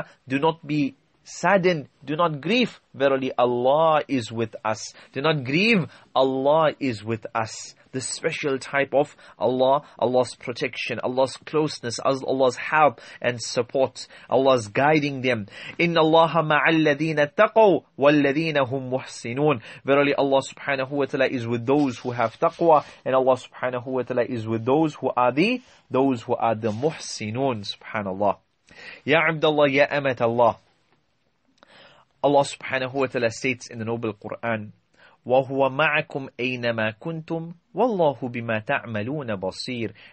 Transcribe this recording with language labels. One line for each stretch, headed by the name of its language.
English: Do not be saddened, do not grieve. Verily Allah is with us. Do not grieve, Allah is with us. The special type of Allah, Allah's protection, Allah's closeness, Allah's help and support, Allah's guiding them.
Arabic: إن الله مع الذين تقوا والذين هم محسنون.
English: Verily Allah subhanahu wa ta'ala is with those who have taqwa, and Allah subhanahu wa ta'ala is with those who are the muhsinun. Subhanallah. Ya Abdullah, ya Amat Allah. Allah subhanahu wa ta'ala states in the Noble Quran,
Arabic: وَهُوَ مَعَكُمْ أَيْنَمَا كُنْتُمْ وَاللَّهُ بِمَا تَعْمَلُونَ بَصِيرٌ.